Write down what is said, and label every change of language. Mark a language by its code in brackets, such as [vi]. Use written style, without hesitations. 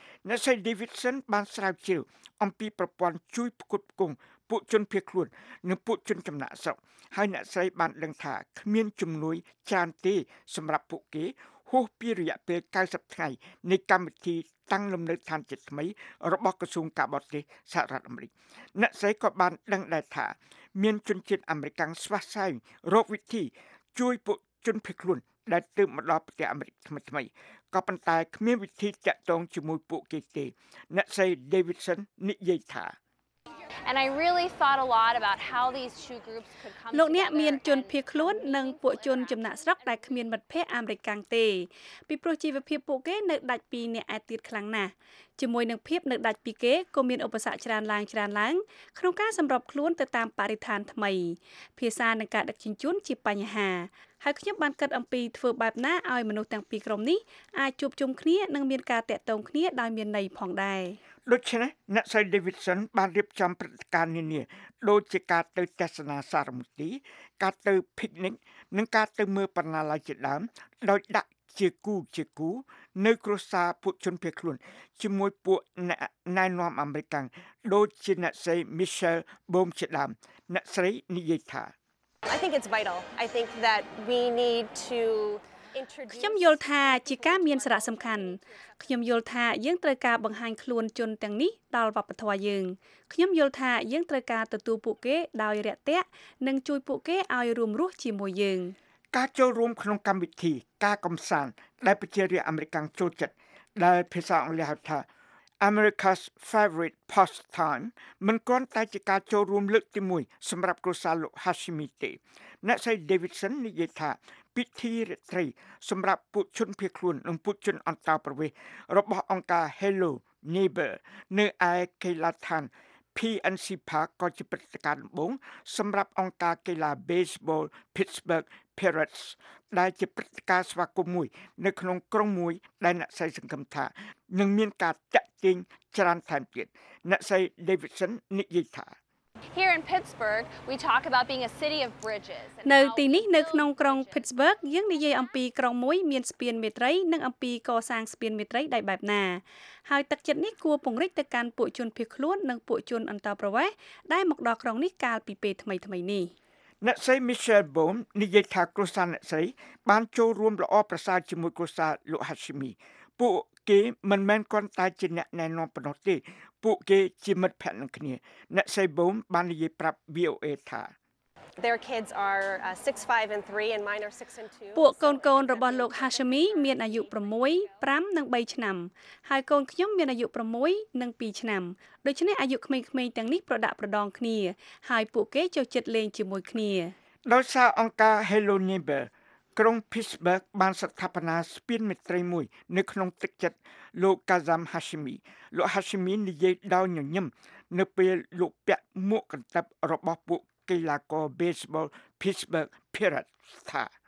[km] អ្នកស្រី Davidson បានស្រាវជ្រាវអំពីប្រព័ន្ធជួយផ្គត់ផ្គង់ពួកជនភៀសខ្លួននិងពួកជនចំណាក់ស្រុកហើយអ្នកស្រីបានដឹងថាគ្មានជំនួយច្រើនទេសម្រាប់ពួកគេហួសពីរយៈពេល90ថ្ងៃនៃកម្មវិធីតាំងលំនៅឋានជាថ្មីរបស់ក្រសួងការបរទេសសហរដ្ឋអាមេរិកអ្នកស្រីក៏បានដឹងដែរថា មានជនជាតិអាមេរិកស្វាស្វែងរកវិធីជួយពួកជនភៀសខ្លួនដែលទើបមកដល់ប្រទេសអាមេរិកថ្មីថ្មីក៏ប៉ុន្តែគ្មានវិធីទាក់ទងជាមួយពួកគេទេអ្នកស្រី Davidson និយាយថា [en] And I really thought a lot about how these two groups could come together. [km] លោកអ្នកមានជនភៀសខ្លួននិងពួកជនចំណាក់ស្រុកដែលគ្មានមិត្តភ័ក្តិអាមេរិកកាំងទេពីព្រោះជីវភាពពួកគេនៅដាច់ពីអ្នកឯទៀតខ្លាំងណាស់ជាមួយនឹងភាពនៅដាច់ពីគេក៏មានឧបសគ្គច្រើនឡើងច្រើនឡើងក្នុងការសម្របខ្លួនទៅតាមបរិស្ថានថ្មីភាសានិងការដឹកជញ្ជូនជាបញ្ហាហើយខ្ញុំបានគិតអំពីធ្វើបែបណាឲ្យមនុស្សទាំងពីរក្រុមនេះអាចជួបជុំគ្នានិងមានការតាក់ទងគ្នាដោយមានន័យផងដែរ ដូច្នេះអ្នកស្រី Davidson បានរៀបចំព្រឹត្តិការណ៍នានាដូចជាការទៅទស្សនាសារមន្ទីរការទៅ picnic និងការទៅមើលបណ្ណាល័យជាដើមដោយដាក់ជាគូនៅក្រសាលពួកជនភៀសខ្លួនជាមួយពួកអ្នកណែនាំអាមេរិកដូចជាអ្នកស្រី Michelle Boom ជាដើមអ្នកស្រីនិយាយថា [en] I think it's vital. I think that we need to introduce [km] ខ្ញុំយល់ថាជាការមានសារៈសំខាន់ខ្ញុំយល់ថាយើងត្រូវការបង្ហាញខ្លួនជនទាំងនេះដល់វប្បធម៌យើងខ្ញុំយល់ថាយើងត្រូវការទទួលពួកគេដោយរាក់ទាក់និងជួយពួកគេឲ្យរួមរស់ជាមួយយើង ការចូលរួមក្នុងកម្មវិធីការកំសាន្តដែលប្រជារាស្ត្រអាមេរិកចូលចិត្តដែលភាសាអង់គ្លេសហៅថា [en] America's favorite pastime [km] មិនគាន់តែជាការចូលរួមលើកទី1សម្រាប់គ្រួសារលោក Hashimi ទេអ្នកស្រី Davidson និយាយថាពិធីរាត្រីសម្រាប់ពួកជនភៀសខ្លួននិងពួកជនអន្តោប្រវេសន៍របស់អង្គការ Hello Neighbor នៅឯកីឡដ្ឋាន PNC Park ក៏ជាព្រឹត្តិការណ៍ដំបូងសម្រាប់អង្គការកីឡា Baseball Pittsburgh Pirates ដែលជាព្រឹត្តិការណ៍ស្វាគមន៍មួយនៅក្នុងក្រុងមួយដែលអ្នកស្រីសង្ឃឹមថានឹងមានការតាក់ទាញច្រើនថែមទៀតអ្នកស្រី Davidson និយាយថា [en] Here in Pittsburgh we talk about being a city of bridges [km] នៅទីនេះនៅក្នុងក្រុង Pittsburgh យើងនិយាយអំពីក្រុងមួយមានស្ពានមេត្រីនិងអំពីកសាងស្ពានមេត្រីដែរបែបណាហើយទឹកចិត្តនេះគួរពង្រីកទៅកាន់ពួកជនភៀសខ្លួននិងពួកជនអន្តោប្រវេសន៍ដែលមកដល់ក្រុងនេះកាលពីពេលថ្មីៗនេះ អ្នកស្រី Michelle Boom និយាយថាគ្រួសារអ្នកស្រីបានចូលរួមល្អប្រសើរជាមួយគ្រួសារលោក Hashimi ពួកគេមិនមែនគ្រាន់តែជាអ្នកណែនាំប៉ុណ្ណោះទេពួកគេជាមិត្តភក្តិនឹងគ្នាអ្នកស្រី Boom បាននិយាយប្រាប់ VOA ថា [en] Their kids are 6 5 and 3 and mine are 6 and 2 [km] ពួកកូនកូនរបស់លោក Hashimi មានអាយុ6 5និង3ឆ្នាំហើយកូនខ្ញុំមានអាយុ6និង2ឆ្នាំដូច្នេះអាយុក្មេងៗទាំងនេះប្រដាក់ប្រដងគ្នាហើយពួកគេចូលចិត្តលេងជាមួយគ្នា ដោយសារអង្គការ Hello Neighbor ក្រុង Pittsburgh បានស្ថាបនាស្ពានមេត្រីមួយនៅក្នុងទឹកចិត្តលោក Kazam Hashimi លោក Hashimi និយាយដោយញញឹមនៅពេលលោកពាក់មួកកន្តិបរបស់ពួកកីឡាករ Baseball Pittsburgh Pirates ថា